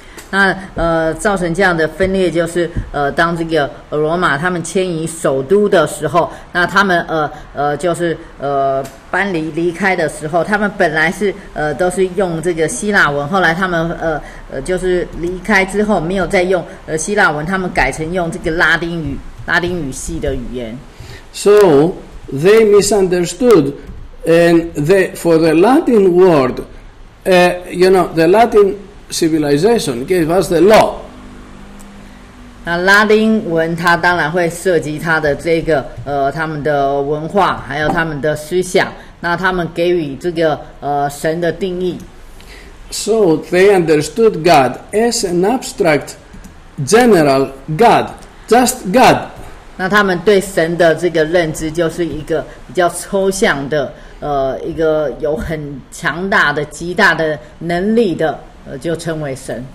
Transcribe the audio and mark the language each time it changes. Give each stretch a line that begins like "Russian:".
Chinese: 那造成这样的分裂就是当这个罗马他们迁移首都的时候，那他们就是搬离开的时候，他们本来是都是用这个希腊文，后来他们就是离开之后没有再用希腊文，他们改成用这个拉丁语系的语言。
English: So they misunderstood, and they for the Latin word, you know, the Latin civilization gave us the law.
Chinese: 那拉丁文它当然会涉及它的这个他们的文化，还有他们的思想。那他们给予这个神的定义。
English: So they understood God as an abstract, general God, just God.
Chinese: 那他们对神的这个认知就是一个比较抽象的，一个有很强大的、极大的能力的，就称为神。